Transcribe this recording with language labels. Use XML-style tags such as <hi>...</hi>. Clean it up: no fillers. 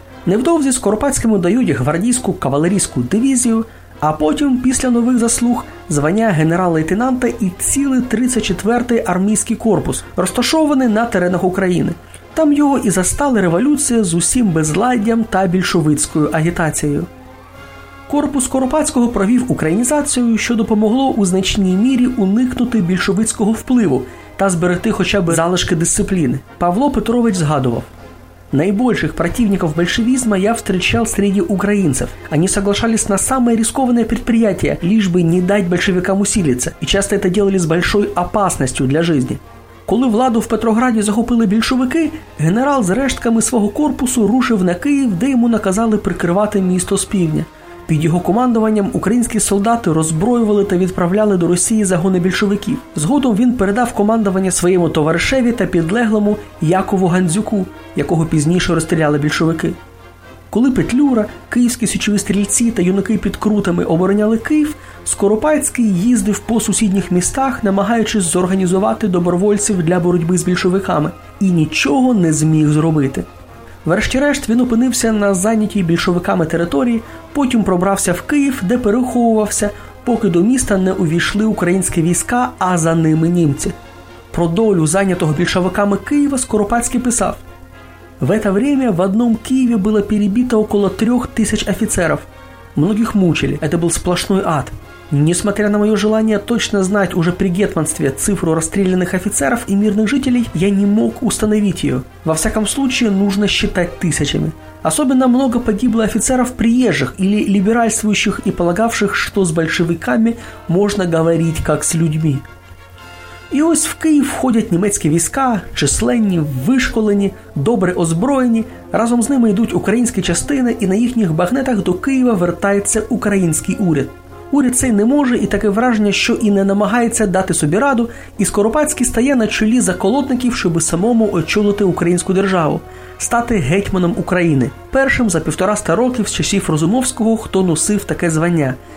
<uk>Невдовзі Скоропадському дають гвардійську кавалерійську дивізію, а потім, після нових заслуг, звання генерал-лейтенанта і цілий 34-й армійський корпус, розташований на теренах України. Там його і застали революція з усім безладдям та більшовицькою агітацією. Корпус Скоропадського провів українізацію, що допомогло у значній мірі уникнути більшовицького впливу та зберегти хоча б залишки дисципліни. Павло Петрович згадував:</uk> <ru>«Найбольших противников большевизма я встречал среди украинцев. Они соглашались на самые рискованные предприятия, лишь бы не дать большевикам усилиться, и часто это делали с большой опасностью для жизни».</ru> <uk>Коли владу в Петрограді захопили більшовики, генерал з рештками свого корпусу рушив на Київ, де йому наказали прикривати місто з півдня. Під його командуванням українські солдати роззброювали та відправляли до Росії загони більшовиків. Згодом він передав командування своєму товаришеві та підлеглому Якову Гандзюку, якого пізніше розстріляли більшовики. Коли Петлюра, київські січові стрільці та юнаки під Крутами обороняли Київ, Скоропадський їздив по сусідніх містах, намагаючись зорганізувати добровольців для боротьби з більшовиками, і нічого не зміг зробити. Врешті-решт він опинився на зайнятій більшовиками території, потім пробрався в Київ, де переховувався, поки до міста не увійшли українські війська, а за ними німці. Про долю зайнятого більшовиками Києва Скоропадський писав:</uk> <ru>«В это время в одном Києві було перебито около 3000</ru> <uk>офіцерів.</uk> <ru>Многих мучили, это був сплошной ад. Несмотря на моє желание точно знать уже при гетьманстве цифру расстрелянных офицеров и мирных жителей, я не мог установить ее. Во всяком случае, нужно считать тысячами. Особенно много погибло офицеров приезжих или либеральствующих и полагавших, что с большевиками можно говорить как с людьми».</ru> <uk>І ось в Київ входять німецькі війська, численні, вишколені, добре озброєні. Разом з ними йдуть українські частини, і на їхніх багнетах до Києва вертається український уряд. Уряд цей не може, і таке враження, що і не намагається дати собі раду, і Скоропадський стає на чолі заколотників, щоби самому очолити українську державу, стати гетьманом України, першим за 1,5 років з часів Розумовського, хто носив таке звання.</uk>